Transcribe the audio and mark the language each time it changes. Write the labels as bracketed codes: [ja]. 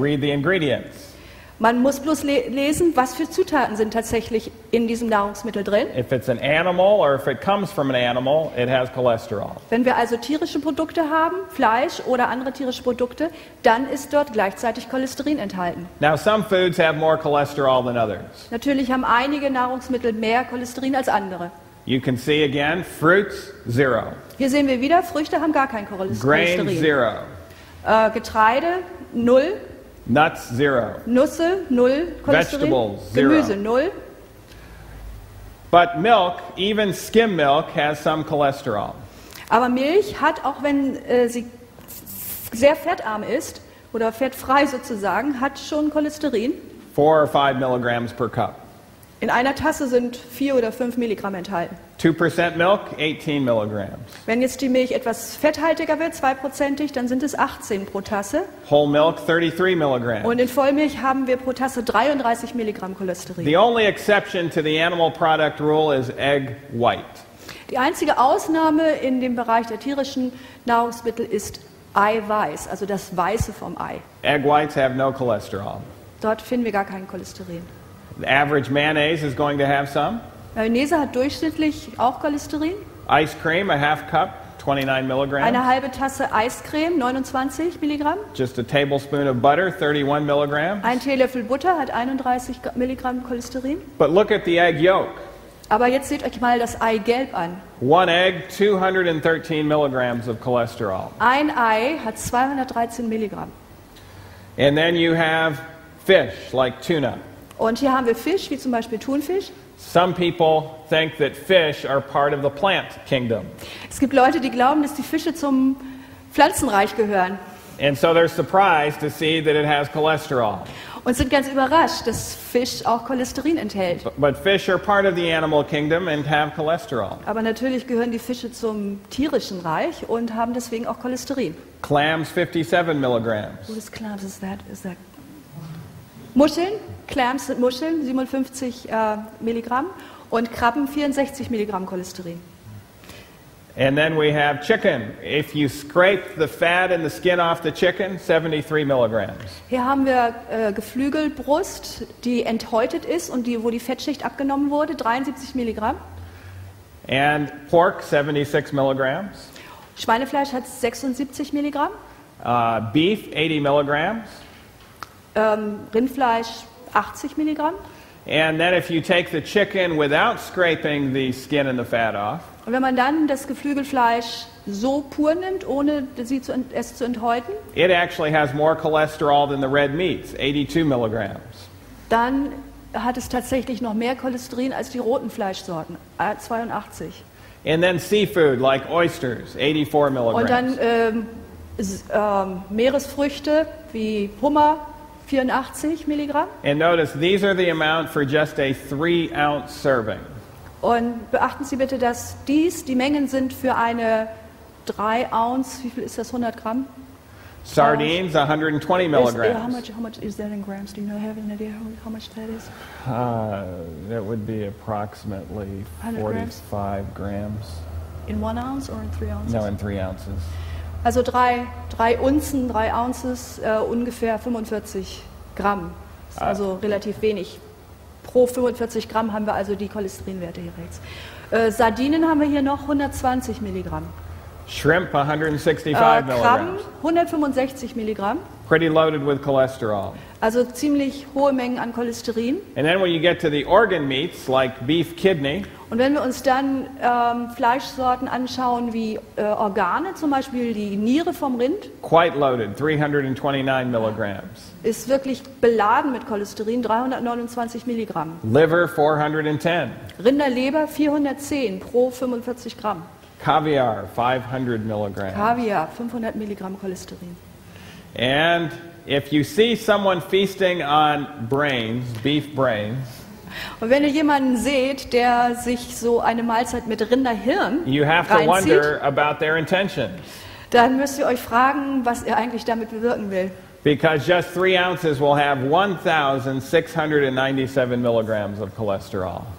[en] Read the ingredients. [de] Man muss bloß lesen, was für Zutaten sind tatsächlich in diesem Nahrungsmittel drin. [en] If it's an animal or if it comes from an animal, it has cholesterol. [de] Wenn wir also tierische Produkte haben, Fleisch oder andere tierische Produkte, dann ist dort gleichzeitig Cholesterin enthalten. [en] Now some foods have more cholesterol than others. [de] Natürlich haben einige Nahrungsmittel mehr Cholesterin als andere. [en] You can see again, fruits, zero. [de] Hier sehen wir wieder, Früchte haben gar kein Cholesterin. [en] Grain, zero. [de] Getreide, null. [en] Nuts, zero. [de] Nüsse, null. [en] Vegetables, zero. [de] Gemüse, null. [en] But milk, even skim milk, has some cholesterol. [de] Aber Milch hat, auch wenn sie sehr fettarm ist oder fettfrei sozusagen, hat schon Cholesterin. [en] 4 or 5 milligrams per cup. [de] In einer Tasse sind 4 oder 5 Milligramm enthalten. [en] 2% milk, 18 milligrams. [de] Wenn jetzt die Milch etwas fetthaltiger wird, 2%, dann sind es 18 pro Tasse. [en] Whole milk, 33 milligrams. [de] Und in Vollmilch haben wir pro Tasse 33 Milligramm Cholesterin. [en] The only exception to the animal product rule is egg white. [de] Die einzige Ausnahme in dem Bereich der tierischen Nahrungsmittel ist Eiweiß, also das Weiße vom Ei. [en] Egg whites have no cholesterol. [de] Dort finden wir gar kein Cholesterin. [en] The average mayonnaise is going to have some. [de] Mayonnaise hat durchschnittlich auch Cholesterin. [en] Ice cream, a half cup, 29 milligrams. [de] Eine halbe Tasse Eiscreme, 29 Milligramm. [en] Just a tablespoon of butter, 31 milligrams. [de] Ein Teelöffel Butter hat 31 Milligramm Cholesterin. [en] But look at the egg yolk. [de] Aber jetzt seht euch mal das Eigelb an. [en] One egg, 213 milligrams of cholesterol. [de] Ein Ei hat 213 Milligramm. [en] And then you have fish, like tuna. [de] Und hier haben wir Fisch, wie zum Beispiel Thunfisch. [en] Some people think that fish are part of the plant kingdom. [de] Es gibt Leute, die glauben, dass die Fische zum Pflanzenreich gehören. [en] And so they're surprised to see that it has cholesterol. [de] Und sind ganz überrascht, dass Fisch auch Cholesterin enthält. [en] But fish are part of the animal kingdom and have cholesterol. [de] Aber natürlich gehören die Fische zum tierischen Reich und haben deswegen auch Cholesterin. [en] Clams, 57 milligrams. What is clams? Is that Muscheln? [de] Clams sind Muscheln, 57 Milligramm. Und Krabben, 64 Milligramm Cholesterin. [en] And then we have chicken. If you scrape the fat and the skin off the chicken, 73 milligrams. [de] Hier haben wir Geflügelbrust, die enthäutet ist und die, wo die Fettschicht abgenommen wurde, 73 Milligramm. [en] And pork, 76 milligrams. [de] Schweinefleisch hat 76 Milligramm. [en] Beef, 80 milligrams. [de] Rindfleisch, 80 Milligramm. [en] And then if you take the chicken without scraping the skin and the fat off, [de] und wenn man dann das Geflügelfleisch so pur nimmt, ohne es zu enthäuten, [en] it actually has more cholesterol than the red meats, 82 milligrams. [de] Dann hat es tatsächlich noch mehr Cholesterin als die roten Fleischsorten, 82. [en] And then seafood, like oysters, 84 milligrams. [de] Und dann Meeresfrüchte wie Hummer, 84 Milligramm. [en] And notice, these are the amount for just a 3-ounce serving. [de] Und beachten Sie bitte, dass dies, die Mengen sind für eine 3 Ounce, wie viel ist das, 100 Gramm? [en] Sardines, 120 milligrams. How much is that in grams? Do you know, have an idea how much that is? That would be approximately 45 grams. In 1 Ounce or in 3 Ounces? No, in 3 Ounces. [de] Also 3 Unzen, 3 Ounces, ungefähr 45 Gramm. Also relativ wenig. Pro 45 Gramm haben wir also die Cholesterinwerte hier rechts. Sardinen haben wir hier noch 120 Milligramm. Shrimp 165 Milligramm. Krabben 165 Milligramm. [en] Pretty loaded with cholesterol. [de] Also ziemlich hohe Mengen an Cholesterin. [en] And then when you get to the organ meats like beef kidney. [de] Und wenn wir uns dann Fleischsorten anschauen wie Organe, zum Beispiel die Niere vom Rind. [en] Quite loaded, 329 milligrams. [de] Ist wirklich beladen mit Cholesterin, 329 Milligramm. [en] Liver 410. [de] Rinderleber 410 pro 45 Gramm. [en] Caviar 500 milligrams. [de] Caviar 500 Milligramm Cholesterin. [en] And if you see someone feasting on brains, beef brains, [de] und wenn ihr jemanden seht, der sich so eine Mahlzeit mit Rinderhirn, [en] you have to wonder about their intentions. [de] Dann müsst ihr euch fragen, was ihr eigentlich damit bewirken will. [en] Because just 3 ounces will have 1,697 milligrams of cholesterol.